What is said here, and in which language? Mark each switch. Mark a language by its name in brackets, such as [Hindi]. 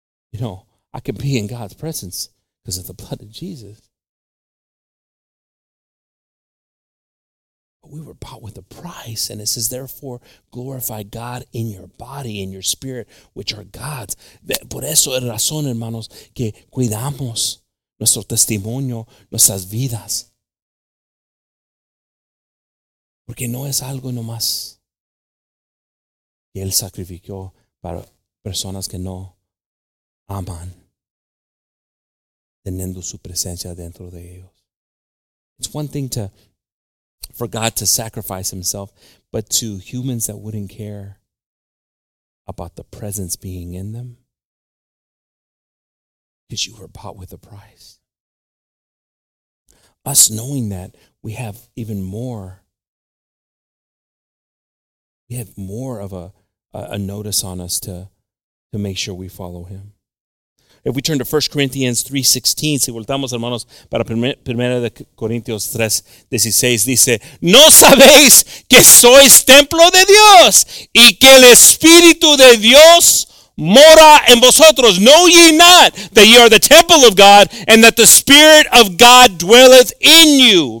[English] You know, I can be in God's presence because of the blood of Jesus. But we were bought with a price, and it says, therefore, glorify God in your body, in your spirit, which are God's. [Spanish] Por eso es razón, hermanos, que cuidamos nuestro testimonio, nuestras vidas. Porque no es algo nomás que Él sacrificó para personas que no aman teniendo su presencia dentro de ellos. [English] It's one thing to for God to sacrifice Himself, but to humans that wouldn't care about the presence being in them, because you were bought with a price. Us knowing that, we have even more. We have more of a notice on us to make sure we follow Him. If we turn to 1 Corinthians 3:16, [Spanish] si voltamos, hermanos, para 1 Corinthians 3:16, dice, ¿no sabéis que sois templo de Dios y que el Espíritu de Dios mora en vosotros? [English] Know ye not that ye are the temple of God and that the Spirit of God dwelleth in you?